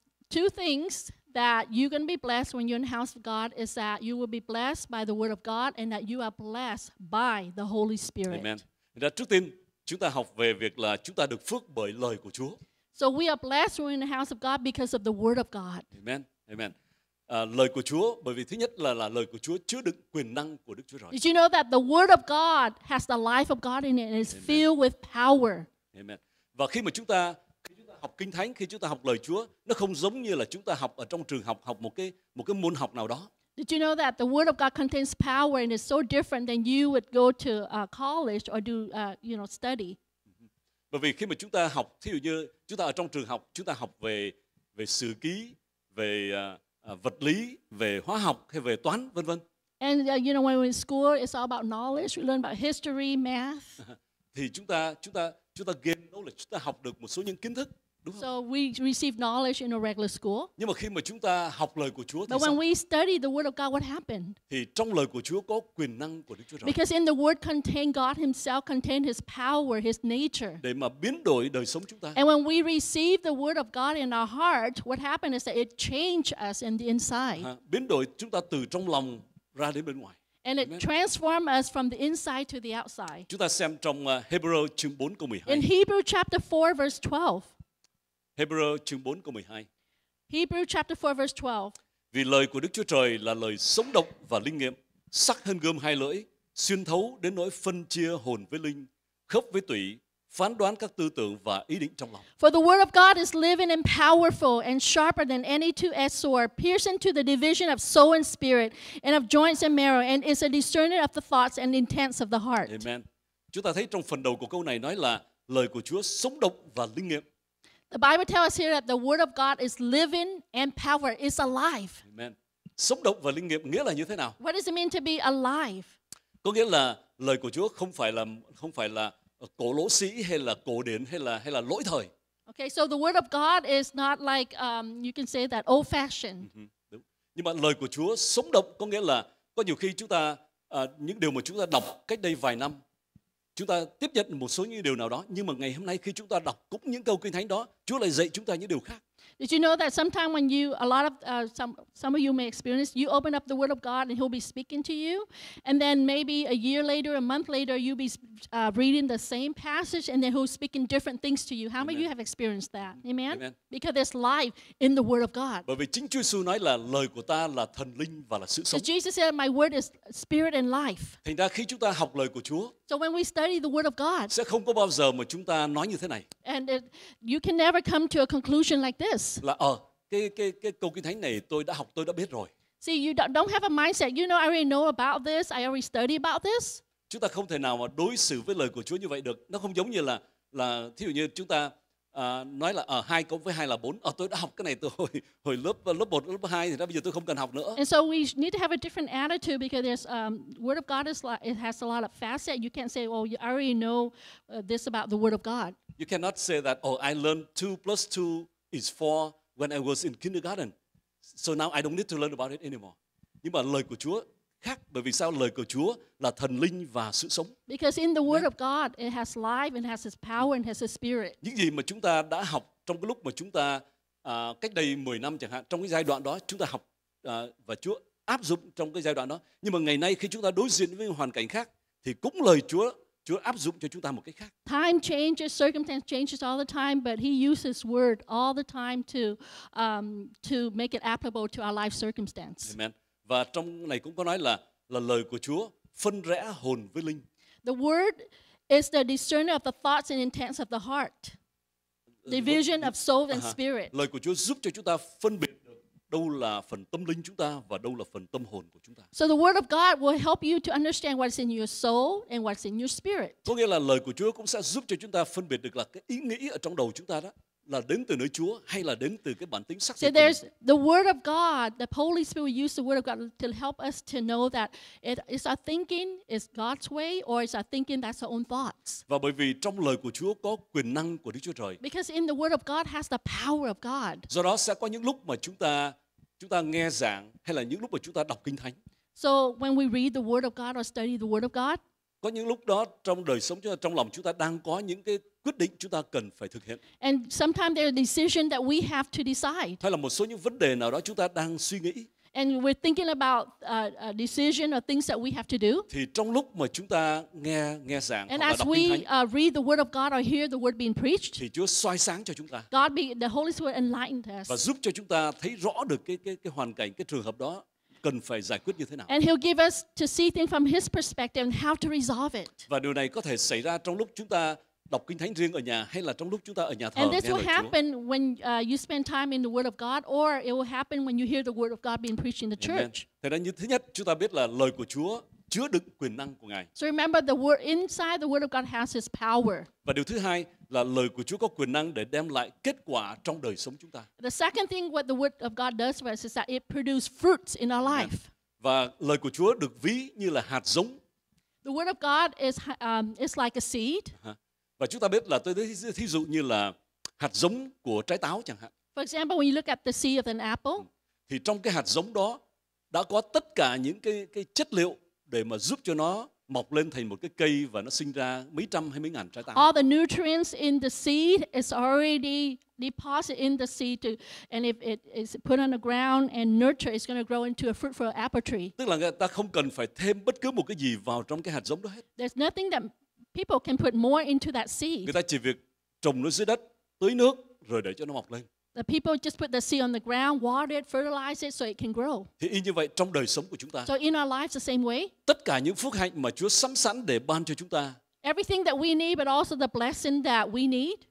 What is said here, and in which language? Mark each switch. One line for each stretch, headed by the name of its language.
English: Two things that you're going to be blessed when you're in the house of God is that you will be blessed by the word of God and that you are blessed by the Holy Spirit. Amen.
Vietnamese: Và trước tiên chúng ta học về việc là chúng ta được phước bởi lời của Chúa.
English: So we are blessed when we're in the house of God because of the word of God. Amen. Amen.
Vietnamese: Lời của Chúa, bởi vì thứ nhất là lời của Chúa chứa đựng quyền năng của Đức Chúa Trời.
English: Did you know that the word of God has the life of God in it and is filled with power? Amen.
Vietnamese: Và khi chúng ta học Kinh Thánh, khi chúng ta học lời Chúa, nó không giống như là chúng ta học ở trong trường học, học một cái môn học nào đó.
English: Did you know that the word of God contains power and is so different than you would go to college or do study?
Vietnamese: Bởi vì khi mà chúng ta học, thí dụ như chúng ta ở trong trường học, chúng ta học về sử ký, về vật lý, về hóa học hay về toán, vân vân.
English: And when we're in school, it's all about knowledge. We learn about history, math.
Vietnamese: Thì chúng ta
English: gain knowledge,
Vietnamese: chúng ta học được một số những kiến thức. Đúng
English: so we receive knowledge in a regular school.
Vietnamese: Nhưng mà khi mà chúng ta học lời của Chúa thì
English: But
Vietnamese: sao?
English: When we study the word of God, what happened?
Vietnamese: Thì trong lời của Chúa có quyền năng của Đức Chúa Trời.
English: Because in the word contain God himself, contain his power, his nature.
Vietnamese: Để mà biến đổi đời sống chúng ta.
English: And when we receive the word of God in our heart, what happened is that it changed us in the inside.
Vietnamese: Biến đổi chúng ta từ trong lòng ra đến bên ngoài.
English: And it transforms us from the inside to the outside.
Vietnamese: Chúng ta xem trong Hebrews chương 4 câu 12.
English: In Hebrews chapter 4 verse 12.
Vietnamese: Hebrews chương 4 câu 12.
English: Hebrews chapter 4 verse 12.
Vietnamese: Vì lời của Đức Chúa Trời là lời sống độc và linh nghiệm, sắc hơn gươm hai lưỡi, xuyên thấu đến nỗi phân chia hồn với linh, khớp với tủy, phán đoán các tư tưởng và ý định trong lòng.
English: For the word of God is living and powerful and sharper than any two-edged sword, piercing to the division of soul and spirit and of joints and marrow, and is a discerner of the thoughts and intents of the heart. Amen.
Vietnamese: Chúng ta thấy trong phần đầu của câu này nói là lời của Chúa sống độc và linh nghiệm.
English: The Bible tells us here that the word of God is living and power, is alive. Amen.
Vietnamese: Sống động và linh nghiệm nghĩa là như thế nào?
English: What does it mean to be alive?
Vietnamese: Có nghĩa là lời của Chúa không phải là cổ lỗ sĩ hay là cổ điển hay là lỗi thời.
English: Okay, so the word of God is not like you can say that old fashioned.
Vietnamese: Đúng. Nhưng mà lời của Chúa sống động có nghĩa là có nhiều khi chúng ta những điều mà chúng ta đọc cách đây vài năm chúng ta tiếp nhận một số những điều nào đó, nhưng mà ngày hôm nay khi chúng ta đọc cũng những câu kinh thánh đó, Chúa lại dạy chúng ta những điều khác.
English: Did you know that sometimes when you, a lot of, some of you may experience, you open up the word of God and he'll be speaking to you, and then maybe a year later, a month later, you'll be reading the same passage and then he'll speak in different things to you. How many of you have experienced that? Amen? Amen? Because there's life in the word of God.
Vietnamese: Bởi vì chính Chúa Jesus nói là lời của ta là thần linh và là sự sống.
English: So Jesus said, my word is spirit and life.
Vietnamese: Thành ra khi chúng ta học lời của Chúa,
English: so when we study the word of God,
Vietnamese: sẽ không có bao giờ mà chúng ta nói như thế này.
English: And it, you can never come to a conclusion like this.
Vietnamese: Là cái câu kinh thánh này tôi đã học, tôi đã biết rồi.
English: See, you don't have a mindset. You know, I already know about this. I already study about this.
Vietnamese: Chúng ta không thể nào mà đối xử với lời của Chúa như vậy được. Nó không giống như là thí dụ như chúng ta nói là 2 cộng với 2 là 4. Tôi đã học cái này từ hồi lớp 1, lớp 2 thì đó, bây giờ tôi không cần học nữa.
English: And so we need to have a different attitude because there's word of God is like, it has a lot of facets. You can't say, "Oh, you already know this about the word of God." You cannot say that, "Oh, I learned 2 plus 2 is for when I was in kindergarten. So now I don't need to learn about it anymore."
Vietnamese: Nhưng mà lời của Chúa khác, bởi vì sao? Lời của Chúa là thần linh và sự sống.
English: Because in the word of God, it has life and has its power and has its spirit.
Vietnamese: Những gì mà chúng ta đã học trong cái lúc mà chúng ta cách đây 10 năm chẳng hạn, trong cái giai đoạn đó chúng ta học và Chúa áp dụng trong cái giai đoạn đó. Nhưng mà ngày nay khi chúng ta đối diện với hoàn cảnh khác thì cũng lời Chúa áp dụng cho chúng ta một cách khác.
English: Time changes, circumstance changes all the time, but he uses his word all the time to make it applicable to our life circumstance. Amen.
Vietnamese: Và trong này cũng có nói là lời của Chúa phân rẽ hồn với linh.
English: The word is the discerner of the thoughts and intents of the heart. Division of soul and spirit.
Vietnamese: Lời của Chúa giúp cho chúng ta phân biệt đâu là phần tâm linh chúng ta và đâu là phần tâm hồn của chúng ta.
English: So the word of God will help you to understand what's in your soul and what's in your spirit.
Vietnamese: Có nghĩa là lời của Chúa cũng sẽ giúp cho chúng ta phân biệt được là cái ý nghĩ ở trong đầu chúng ta đó. là đến từ nơi Chúa hay là đến từ cái bản tính xác thịt.
English: So there's the word of God, the Holy Spirit will use the word of God to help us to know that it's our thinking, it's God's way, or it's our thinking that's our own thoughts.
Vietnamese: Và bởi vì trong lời của Chúa có quyền năng của Đức Chúa Trời.
English: Because in the word of God has the power of God.
Vietnamese: Do đó sẽ có những lúc mà chúng ta nghe giảng hay là những lúc mà chúng ta đọc Kinh Thánh.
English: So when we read the word of God or study the word of God,
Vietnamese: có những lúc đó trong đời sống chúng ta, trong lòng chúng ta đang có những cái quyết định chúng ta cần phải thực hiện.
English: And sometimes there are decisions that we have to decide.
Vietnamese: Hay là một số những vấn đề nào đó chúng ta đang suy nghĩ.
English: And we're thinking about a decision or things that we have to do.
Vietnamese: Thì trong lúc mà chúng ta nghe giảng
English: and
Vietnamese: hoặc là đọc Kinh Thánh.
English: And as we read the word of God or hear the word being preached.
Vietnamese: Thì Chúa soi sáng cho chúng ta.
English: God be the Holy Spirit enlightened us.
Vietnamese: Và giúp cho chúng ta thấy rõ được cái hoàn cảnh, cái trường hợp đó cần phải giải quyết như thế nào.
English: And he'll give us to see things from his perspective and how to resolve it.
Vietnamese: Và điều này có thể xảy ra trong lúc chúng ta đọc Kinh Thánh riêng ở nhà hay là trong lúc chúng ta ở nhà thờ.
English: And this will happen when you spend time in the word of God, or it will happen when you hear the word of God being preached in the church.
Vietnamese: Thế nên thứ nhất chúng ta biết là lời của Chúa chứa đựng quyền năng của Ngài.
English: So remember the word inside the word of God has his power.
Vietnamese: Và điều thứ hai là lời của Chúa có quyền năng để đem lại kết quả trong đời sống chúng ta.
English: The second thing what the word of God does for us is that it produces fruits in our life.
Vietnamese: Và lời của Chúa được ví như là hạt giống.
English: The word of God is it's like a seed.
Vietnamese: Và chúng ta biết là tôi lấy thí dụ như là hạt giống của trái táo chẳng hạn.
English: For example, when you look at the seed of an apple,
Vietnamese: thì trong cái hạt giống đó đã có tất cả những cái chất liệu để mà giúp cho nó mọc lên thành một cái cây và nó sinh ra mấy trăm hay mấy ngàn trái táo.
English: All the nutrients in the seed is already deposited in the seed to, and if it is put on the ground and nurtured, it's going to grow into a fruitful apple tree.
Vietnamese: Tức là người ta không cần phải thêm bất cứ một cái gì vào trong cái hạt giống đó hết.
English: There's nothing that people can put more into that seed.
Vietnamese: Người ta chỉ việc trồng nó dưới đất, tưới nước rồi để cho nó mọc lên.
English: The people just put the seed on the ground, water it, fertilize it so it can grow.
Vietnamese: Thì y như vậy trong đời sống của chúng ta.
English: So in our lives the same way.
Vietnamese: Tất cả những phước hạnh mà Chúa sắm sẵn để ban cho chúng ta.
English: Everything that we need but also the blessing that we need.